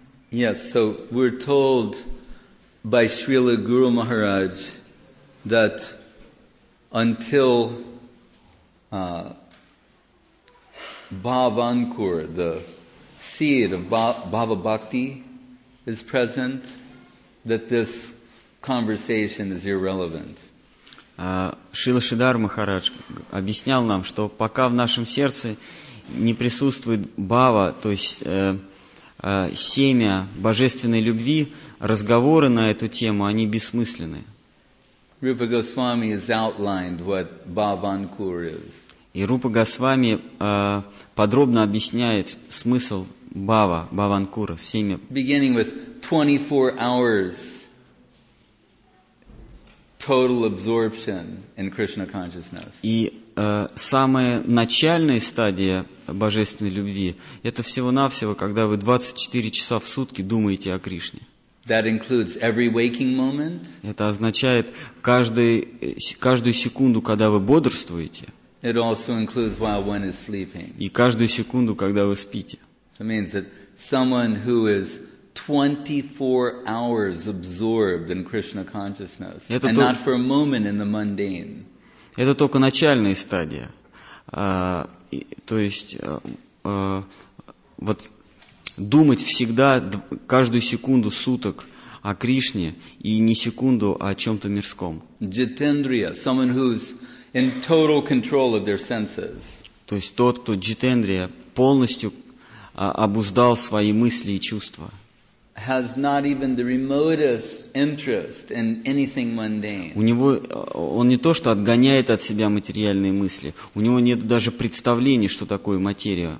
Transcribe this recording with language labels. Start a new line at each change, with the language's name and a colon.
English: Yes, so we're told by Srila Guru Maharaj that until Bhavankur, the seed of Bhava Bhakti, is present, that this conversation is irrelevant.
Russian: Шрила Шридхар Махарадж объяснял нам, что пока в нашем сердце не присутствует бхава, то есть семя божественной любви, разговоры на эту тему, они бессмысленны.
English: Rupa Goswami has outlined what Bhavankur is.
Russian: И Рупа Госвами подробно объясняет смысл Бава, Бхавангура, семи.
English: Beginning with 24 hours total absorption in Krishna consciousness.
Russian: И самая начальная стадия божественной любви – это всего-навсего, когда вы 24 часа в сутки думаете о Кришне.
English: That includes every waking moment.
Russian: Это означает каждую секунду, когда вы бодрствуете.
English: It also includes while one is sleeping.
Russian: И каждую секунду, когда вы спите.
English: So it means that someone who is 24 hours absorbed in Krishna consciousness, and not for a moment in the mundane.
Russian: Это только начальная стадия. То есть, вот думать всегда, каждую секунду суток о Кришне, и не секунду, а о чем-то мирском.
English: Jitendriya, someone who's in total control of their senses.
Russian: То есть тот, кто Jitendriya, полностью обуздал свои мысли и чувства.
English: Has not even the remotest interest in anything mundane.
Russian: У него он не то что отгоняет от себя материальные мысли, у него нет даже представления, что такое материя.